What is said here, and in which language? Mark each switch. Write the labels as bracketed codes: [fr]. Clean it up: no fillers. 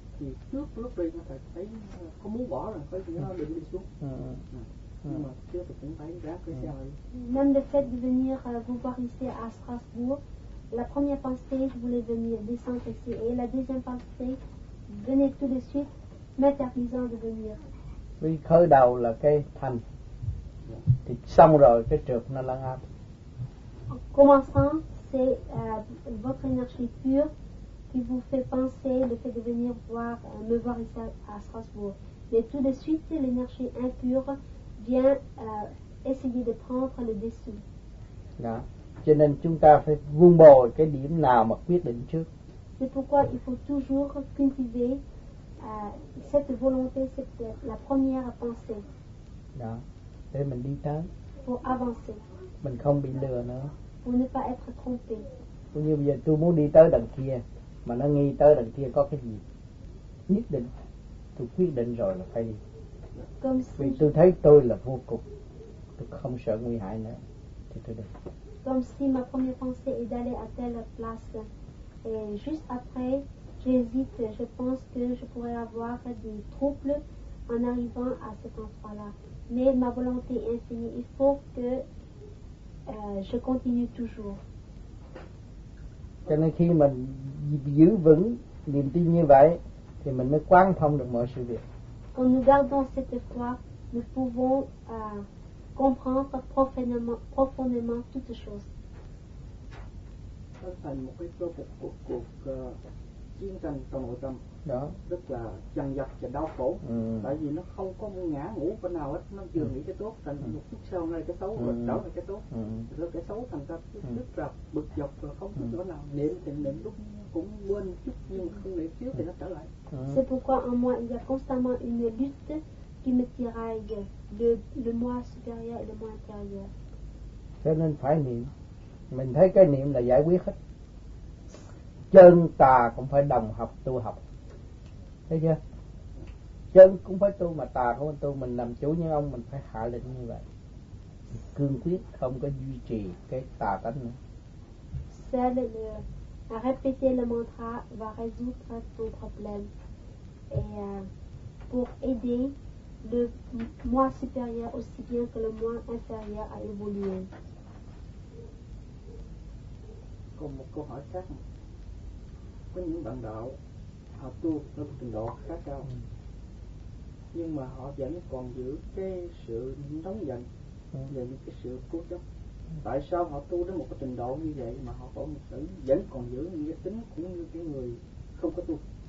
[vi] Thì trước lúc đi nó phải thấy có muốn bỏ rồi, phải nó định đi xuống. Nhưng mà trước thì cũng phải ráp cái xe rồi. [fr] Même le fait de venir vous voir ici à Strasbourg, la première pensée je voulais venir descendre ici, et la deuxième pensée venait tout de suite m'interdisant de venir. [vi] Vì khởi đầu là cái thành, thì xong rồi cái trượt nó lăn áp. [fr] En commençant, c'est votre énergie pure qui vous fait penser le fait de venir voir, me voir ici à Strasbourg. Mais tout de suite, l'énergie impure vient essayer de prendre le dessus. Là. [vi] Cho nên chúng ta phải vun bồi cái điểm nào mà quyết định trước. [fr] C'est pourquoi il faut toujours cultiver cette volonté, cette la première pensée. [vi] Là. Để mình đi tới. [fr] Pour avancer. [vi] Mình không bị lừa nữa. [fr] Pour ne pas être trompé. [vi] Cứ như bây giờ tôi muốn đi tới đằng kia. Mà nó nghi tới đằng kia có cái gì nhất định, tôi quyết định rồi là phải đi. Vì tôi thấy tôi là vô cùng, tôi không sợ nguy hại nữa, thì tôi đi. [fr] Comme si ma première pensée est d'aller à telle place, et juste après, j'hésite, je pense que je pourrais avoir des troubles en arrivant à cet endroit-là. Mais ma volonté est infinie, il faut que je continue toujours. [vi] Cho nên khi mình giữ vững niềm tin như vậy thì mình mới quán thông được mọi sự việc. [fr] Quand nous gardons cette foi, nous pouvons comprendre profondément toutes choses. [vi] Thành một cái cuộc chiến tranh trong nội tâm. đó. Rất là chằn vặt và đau khổ. Ừ. Tại vì nó không có ngã ngủ bên nào hết, nó vừa nghĩ cái tốt thành một chút sau nay cái xấu rồi trở lại cái tốt. Rồi cái xấu thành ra rất là bực dọc rồi không biết chỗ nào. Niệm thì niệm lúc cũng quên chút nhưng không niệm trước thì nó trở lại. [fr] C'est pourquoi en moi il y a constamment une lutte qui me tiraille de le moi supérieur et le moi intérieur. [vi] Cho nên phải niệm. Mình thấy cái niệm là giải quyết hết. Chân tà cũng phải đồng học tu học. Thấy chưa? Chân cũng phải tu mà tà không phải tu. Mình làm chủ như ông, mình phải hạ lệnh như vậy. Cương quyết không có duy trì cái tà tánh nữa. [fr] Seul le, à répéter le mantra va résoudre ton problème. Et pour aider le moi supérieur aussi bien que le moi inférieur à évoluer. [vi] Còn một câu hỏi khác, có những bạn đạo họ tu ở trình độ khá cao nhưng mà họ vẫn còn giữ cái sự nóng giận và những cái sự cố chấp. Tại sao họ tu đến một cái trình độ như vậy mà họ vẫn còn giữ những cái tính cũng như cái người không có tu?